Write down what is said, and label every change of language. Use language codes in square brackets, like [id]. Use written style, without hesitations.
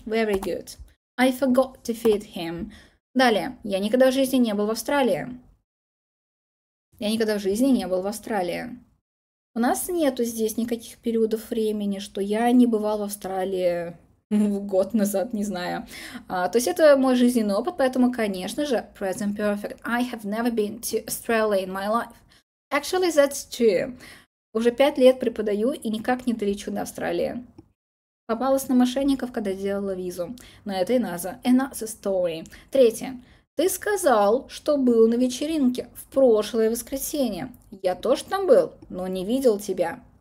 [en] Very good. I forgot to feed him. [ru] Далее. Я никогда в жизни не был в Австралии. Я никогда в жизни не был в Австралии. У нас нету здесь никаких периодов времени, что я не бывал в Австралии год назад, не знаю. То есть это мой жизненный опыт, поэтому, конечно же, present perfect. [en] I have never been to Australia in my life. Actually, that's true. [ru] Уже 5 лет преподаю и никак не долечу до Австралии. Попалась на мошенников, когда делала визу. Но это [en] another story. [ru] Третье. Ты сказал, что был на вечеринке в прошлое воскресенье. Я тоже там был, но не видел тебя.